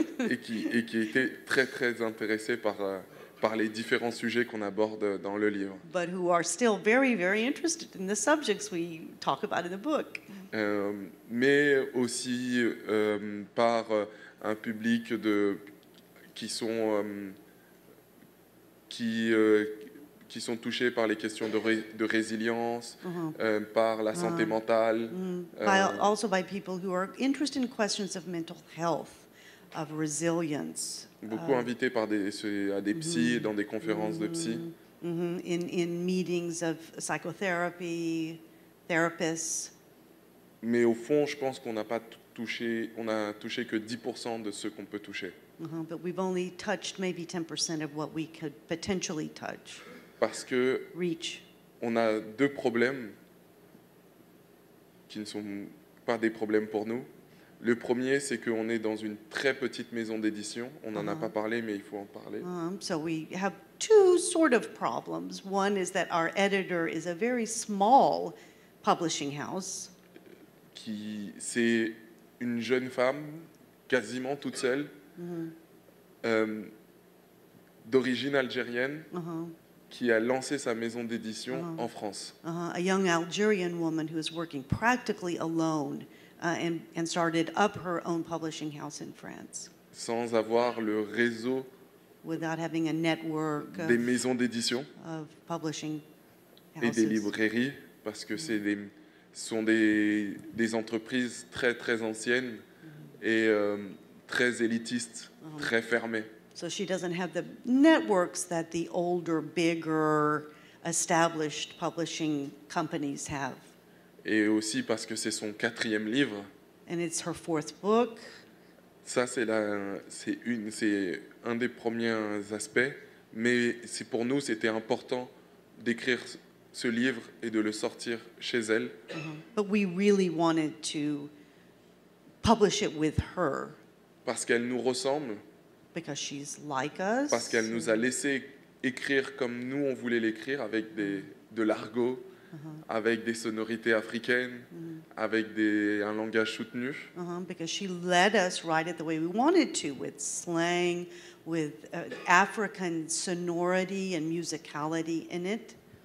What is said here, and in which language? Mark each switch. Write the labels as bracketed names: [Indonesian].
[French] et qui étaient très très intéressés par les différents sujets qu'on aborde dans le livre. [English] But who are still very very interested in the subjects we talk about in the book. [French] Mais aussi par un public de qui sont touchés par les questions de résilience, par la santé mentale. [English] Also by people who are interested in questions of mental health, of resilience. [French] Beaucoup invités à des psys, dans des conférences de psys. [English] In meetings of psychotherapy, therapists. [French] Mais au fond, je pense qu'on n'a pas touché, on a touché que 10% de ce qu'on peut toucher. [English] But we've only touched maybe 10% of what we could potentially touch. [French] Parce que [English] reach. [French] On a deux problèmes qui ne sont pas des problèmes pour nous. Le premier, c'est qu'on est dans une très petite maison d'édition. On n'en a pas parlé, mais il faut en parler. [English] So we have two sort of problems. One is that our editor is a very small publishing house. [French] Qui c'est une jeune femme, quasiment toute seule, d'origine algérienne, qui a lancé sa maison d'édition en France. [English] A young Algerian woman who is working practically alone and started up her own publishing house in France. [French] Sans avoir le réseau. [English] Without having a network. [French] Des maisons d'édition. [English] Of publishing houses. [French] Et des librairies, parce que ce sont des entreprises très très anciennes et très élitistes, très fermées. [English] So she doesn't have the networks that the older, bigger, established publishing companies have. [French] Et aussi parce que c'est son quatrième livre. [English] And it's her fourth book. [French] Ça c'est un des premiers aspects, mais c'est pour nous c'était important d'écrire ce livre et de le sortir chez elle. [English] But we really wanted to publish it with her. [French] Parce qu'elle nous ressemble. [English] Because she's like us. [French] Parce qu'elle nous a laissé écrire comme nous on voulait l'écrire, avec de l'argot, avec des sonorités africaines, avec un langage soutenu. [English] Because she let us write it the way we wanted to, with slang, with African sonority and musicality in it.